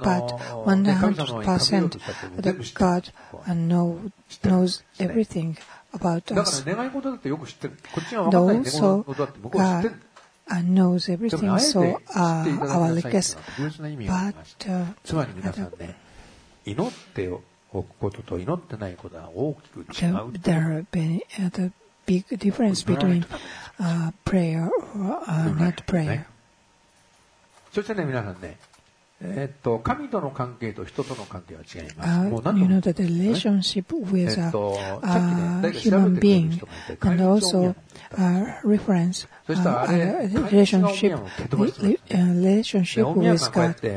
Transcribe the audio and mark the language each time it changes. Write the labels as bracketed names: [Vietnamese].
[English] but 100% that God knows everything. About us. [Japanese] だから願い事だってよく知ってる。こっちが分からない願い事だって僕は知ってる。 [English] Knows everything, so our request. [Japanese] But つまり皆さんね、祈っておくことと祈ってないことは大きく違う。 [English] There are a big difference between prayer or not prayer. [Japanese] そしてね、皆さんね、神との関係と人との関係は違います。もう何度も。 [English] You know that the relationship with a human being and also a reference, relationship with God.